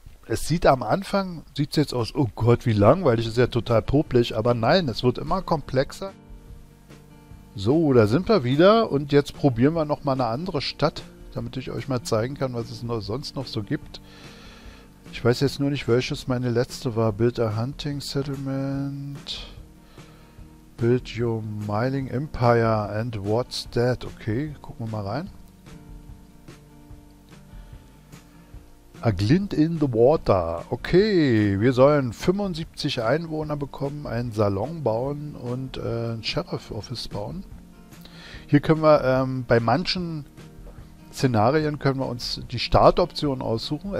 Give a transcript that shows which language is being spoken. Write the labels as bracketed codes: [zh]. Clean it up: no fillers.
[de] Es sieht am Anfang, sieht es jetzt aus, oh Gott, wie langweilig, ist ja total popelig, aber nein, es wird immer komplexer. So, da sind wir wieder und jetzt probieren wir nochmal eine andere Stadt, damit ich euch mal zeigen kann, was es noch sonst noch so gibt. Ich weiß jetzt nur nicht, welches meine letzte war. [en] Build a Hunting Settlement, Build your Mining Empire and what's that? [de] Okay, gucken wir mal rein. A Glint in the Water. Okay, wir sollen 75 Einwohner bekommen, einen Salon bauen und ein Sheriff Office bauen. Hier können wir bei manchen Szenarien können wir uns die Startoption aussuchen.